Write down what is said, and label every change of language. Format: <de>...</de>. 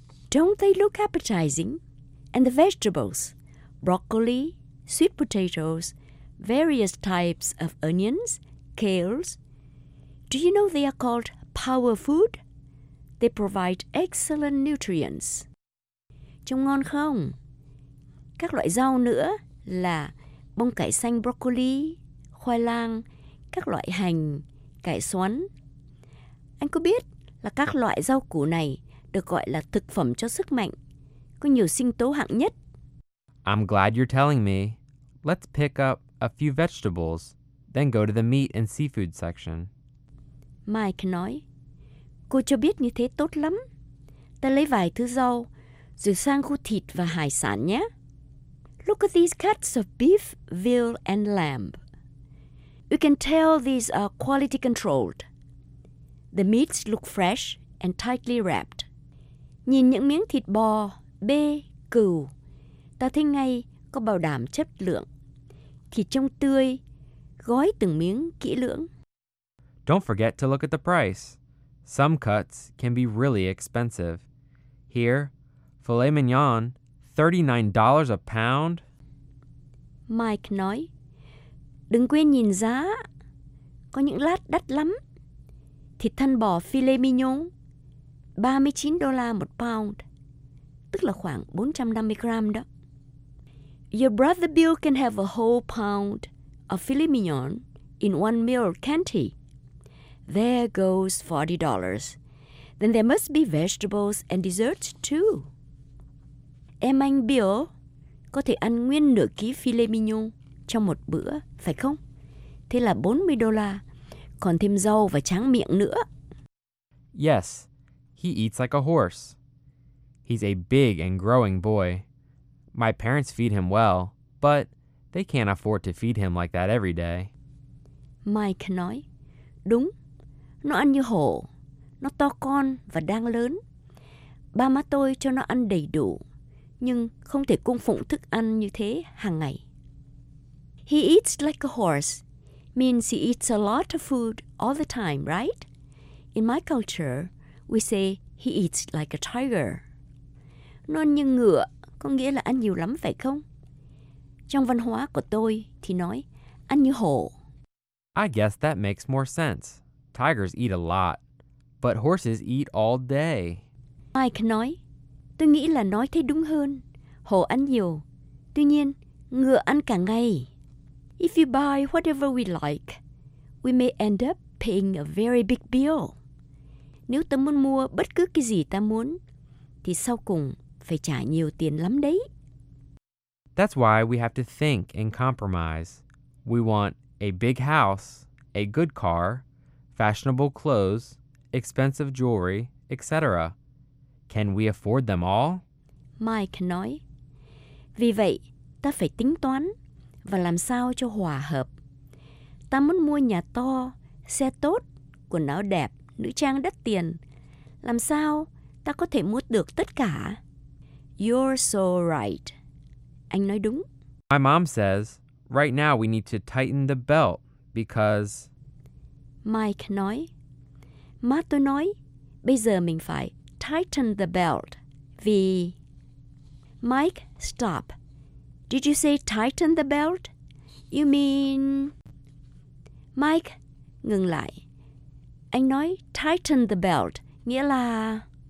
<en>Don't they look appetizing? And the vegetables? Broccoli, sweet potatoes, various types of onions, kales. Do you know they are called power food? They provide excellent nutrients.</en> <vi>Trông ngon không? Các loại rau nữa là bông cải xanh broccoli, khoai lang, các loại hành, cải xoắn. Anh có biết là các loại rau củ này được gọi là thực phẩm cho sức mạnh, có nhiều sinh tố hạng nhất.</vi> <en>I'm glad you're telling me. Let's pick up a few vegetables, then go to the meat and seafood section.</en> <vi>Mike nói, cô cho biết như thế tốt lắm. Ta lấy vài thứ rau, rồi sang khu thịt và hải sản nhé.</vi> <en>Look at these cuts of beef, veal and lamb. You can tell these are quality controlled. The meats look fresh and tightly wrapped.</en> <vi>Nhìn những miếng thịt bò, bê, cừu, ta thấy ngay có bảo đảm chất lượng. Thịt trông tươi, gói từng miếng kỹ lưỡng.</vi> <en>Don't forget to look at the price. Some cuts can be really expensive. Here, filet mignon, $39 a pound.</en> <vi>Mike nói, đừng quên nhìn giá. Có những lát đắt lắm. Thịt thân bò filet mignon, $39 một pound. Tức là khoảng 450 gram đó.</vi> <en>Your brother Bill can have a whole pound of filet mignon in one meal, can't he? There goes $40. Then there must be vegetables and desserts too.</en> <vi>Em anh Bill có thể ăn nguyên nửa ký filet mignon trong một bữa, phải không? Thế là $40, còn thêm rau và tráng miệng nữa.</vi> <en>Yes, he eats like a horse. He's a big and growing boy. My parents feed him well, but they can't afford to feed him like that every day.</en> <vi>Mike nói, đúng, nó ăn như hổ. Nó to con và đang lớn. Ba má tôi cho nó ăn đầy đủ, nhưng không thể cung phụng thức ăn như thế hàng ngày.</vi> <en>He eats like a horse means he eats a lot of food all the time, right? In my culture, we say he eats like a tiger.</en> <vi>Non như ngựa có nghĩa là ăn nhiều lắm phải không? Trong văn hóa của tôi thì nói ăn như hổ.</vi> <en>I guess that makes more sense. Tigers eat a lot, but horses eat all day.</en> <vi>Mike nói, tôi nghĩ là nói thế đúng hơn. Hổ ăn nhiều, tuy nhiên ngựa ăn cả ngày.</vi> <en>If you buy whatever we like, we may end up paying a very big bill.</en> <vi>Nếu ta muốn mua bất cứ cái gì ta muốn, thì sau cùng phải trả nhiều tiền lắm đấy.</vi> <en>That's why we have to think and compromise. We want a big house, a good car, fashionable clothes, expensive jewelry, etc. Can we afford them all?</en> <vi>Mike nói, vì vậy, ta phải tính toán và làm sao cho hòa hợp. Ta muốn mua nhà to, xe tốt, quần áo đẹp, nữ trang đắt tiền. Làm sao ta có thể mua được tất cả?</vi> <en>You're so right.</en> <vi>Anh nói đúng.</vi> <en>My mom says, right now we need to tighten the belt because...</en> <vi>Mike nói, má tôi nói, bây giờ mình phải</vi> <en>tighten the belt</en> <vi>vì...</vi> <en>Mike, stop. Did you say tighten the belt? You mean...</en> <vi>Mike, ngừng lại. Anh nói</vi> <en>tighten the belt,</en> <vi>nghĩa là...</vi>